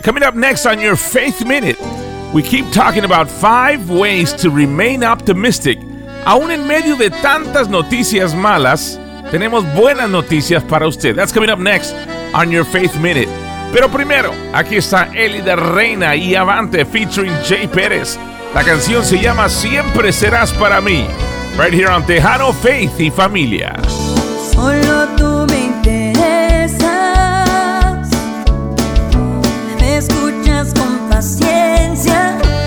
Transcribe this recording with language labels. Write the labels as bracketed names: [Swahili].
[English] Coming up next on your Faith Minute, we keep talking about five ways to remain optimistic. [Spanish] Aún en medio de tantas noticias malas, tenemos buenas noticias para usted. [English] That's coming up next on your Faith Minute. [Spanish] Pero primero, aquí está Elida Reina y Avante featuring Jay Pérez. La canción se llama Siempre Serás Para Mí, [English] right here on [Spanish] Tejano, Faith y Familia. Solo tú me interesas, me escuchas con paciencia.